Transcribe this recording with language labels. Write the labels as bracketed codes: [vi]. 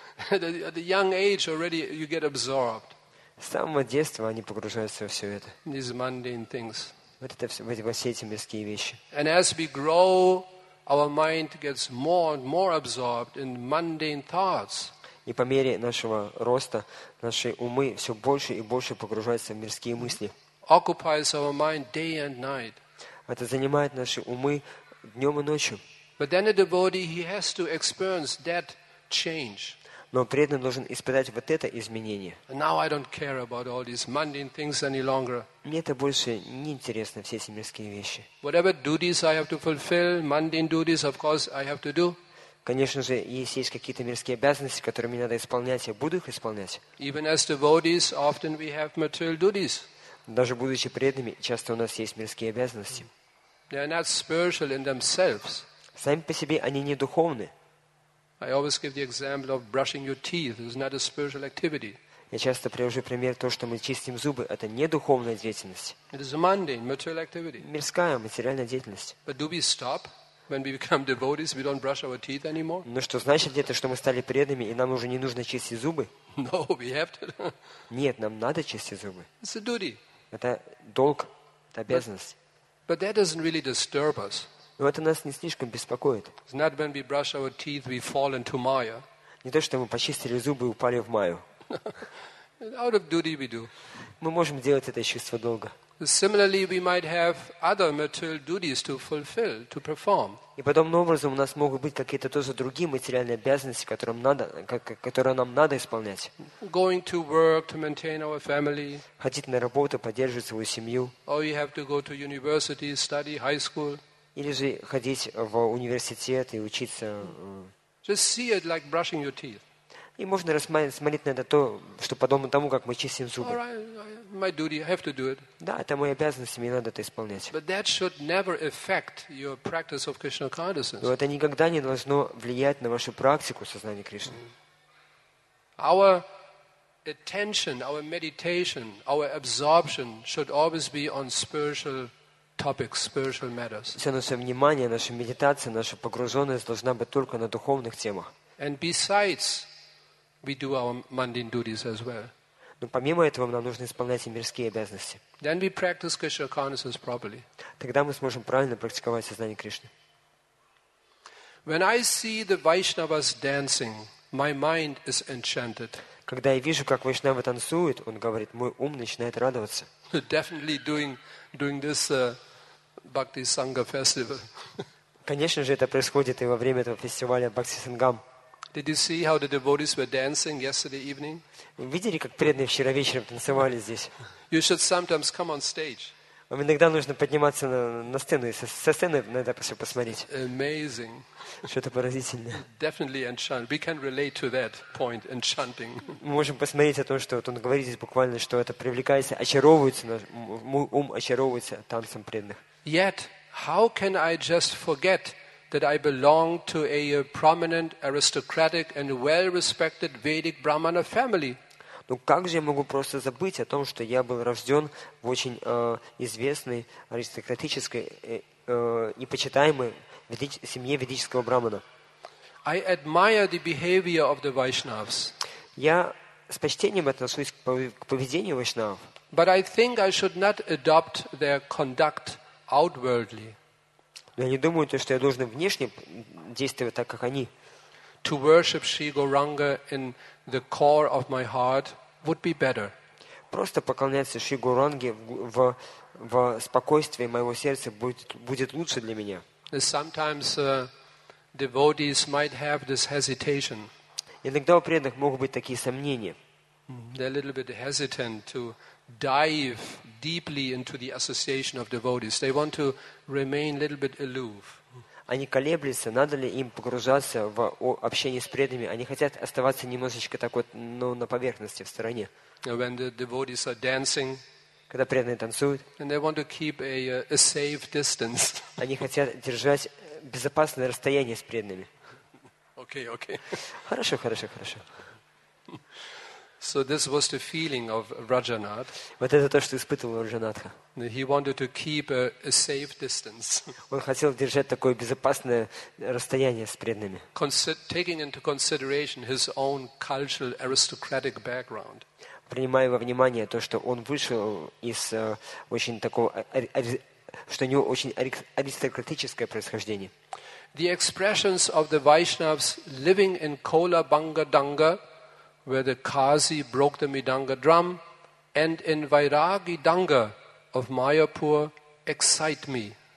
[en] At a young age already you get absorbed. [ru] С самого детства они погружаются во все это. [en] These mundane things. [ru] Вот это все эти мирские вещи. [en] And as we grow, our mind gets more and more absorbed in mundane thoughts. [ru] И по мере нашего роста наши умы все больше и больше погружаются в мирские мысли. [en] Occupies our mind day and night. [ru] Это занимает наши умы днем и ночью. [en] But then a devotee, he has to experience that change. [ru] Но преданный должен испытать вот это изменение. Мне это больше не интересно, все эти мирские вещи. [en] Whatever duties I have to fulfill, mundane duties, of course, I have to do. [ru] Конечно же, если есть какие-то мирские обязанности, которые мне надо исполнять, я буду их исполнять. [en] Even as devotees, often we have material duties. [ru] Даже будучи преданными, часто у нас есть мирские обязанности. [en] They are not spiritual in themselves. [ru] Сами по себе они не духовны. [en] I always give the example of brushing your teeth. It's not a spiritual activity. [ru] Я часто привожу пример то, что мы чистим зубы. Это не духовная деятельность. [en] It is a mundane, material activity. [ru] Мирская, материальная деятельность. [en] But do we stop when we become devotees? We don't brush our teeth anymore. [ru] Но что значит это, что мы стали преданными и нам уже не нужно чистить зубы? [en] No, we have to. [ru] Нет, нам надо чистить зубы. [en] It's a duty. [ru] Это долг, это обязанность. [en] But that doesn't really disturb us. [ru] Но это нас не слишком беспокоит. [en] It's not when we brush our teeth, we fall into Maya. [ru] Не то, что мы почистили зубы и упали в Маю. [en] Out of duty we do. [ru] Мы можем делать это чувство долга. [en] Similarly, we might have other material duties to fulfill, to perform. [ru] И подобным образом у нас могут быть какие-то тоже другие материальные обязанности, которые нам надо исполнять. [en] Going to work to maintain our family. [ru] Ходить на работу, поддерживать свою семью. [en] Or you have to go to university, study high school. [ru] Или же ходить в университет и учиться. [en] Just see it like brushing your teeth. [ru] И можно рассматривать, смотреть на это то, что подобно тому, как мы чистим зубы. [en] My duty, I have to do it. [ru] Да, это моя обязанность, мне надо это исполнять. [en] But that should never affect your practice of Krishna consciousness. [ru] Но это никогда не должно влиять на вашу практику сознания Кришны. [en] Our attention, our meditation, our absorption should always be on spiritual topics, spiritual matters. [ru] Все наше внимание, наша медитация, наша погруженность должна быть только на духовных темах. [en] And besides, we do our mundane duties as well. [ru] Но помимо этого, нам нужно исполнять и мирские обязанности. [en] Then we practice Krishna consciousness properly. [ru] Тогда мы сможем правильно практиковать сознание Кришны. [en] When I see the Vaishnavas dancing, my mind is enchanted. [ru] Когда я вижу, как Вайшнавы танцуют, он говорит, мой ум начинает радоваться. [en] Definitely during this Bhakti Sangha festival. [ru] Конечно же, это происходит и во время этого фестиваля Бхакти Сангам. [en] Did you see how the devotees were dancing yesterday evening? [ru] Вы видели, как преданные вчера вечером танцевали здесь? [en] You should sometimes come on stage. [ru] Вам иногда нужно подниматься на сцену и со сцены на это все посмотреть. [en] Amazing. [ru] Что-то поразительное. [en] Definitely enchanting. We can relate to that point, enchanting. [ru] Мы можем посмотреть о том, что вот он говорит здесь буквально, что это привлекается, очаровывается, мой ум очаровывается танцем преданных. [en] Yet, how can I just forget that I belong to a prominent, aristocratic, and well-respected Vedic Brahmana family? [ru] Ну как же я могу просто забыть о том, что я был рожден в очень известной, аристократической, непочитаемой семье ведического брахмана? [en] I admire the behavior of the Vaishnavas. [ru] Я с почтением отношусь к поведению вайшнавов. [en] But I think I should not adopt their conduct outwardly. [ru] Я не думаю, что я должен внешне действовать так, как они. [en] To worship Sri Gauranga in the core of my heart would be better. [ru] Просто поклоняться Шри Гуранге в спокойствии моего сердца будет лучше для меня. [en] Sometimes devotees might have this hesitation. [ru] Иногда у преданных могут быть такие сомнения. [en] They're a little bit hesitant to dive deeply into the association of devotees. They want to remain a little bit aloof. [ru] Они колеблются, надо ли им погружаться в общение с преданными. Они хотят оставаться немножечко так вот, ну, на поверхности, в стороне. [en] When the devotees are dancing, [ru] когда преданные танцуют, [en] and they want to keep a safe distance. [ru] Они хотят держать безопасное расстояние с преданными. [en] Okay, okay. [ru] Хорошо, хорошо, хорошо. [en] So this was the feeling of Rajanath. [ru] Вот это то, что испытывал Раджанатха. [en] He wanted to keep a safe distance. [ru] Он хотел держать такое безопасное расстояние с преданными. [en] Taking into consideration his own cultural aristocratic background. [ru] Принимая во внимание то, что он вышел из очень такого, что у него очень аристократическое происхождение. [en] The expressions of the Vaishnavas living in Kola Banga Danga, where the Kazi broke the Midanga drum, and in Vairagi Danga of Mayapur excite me.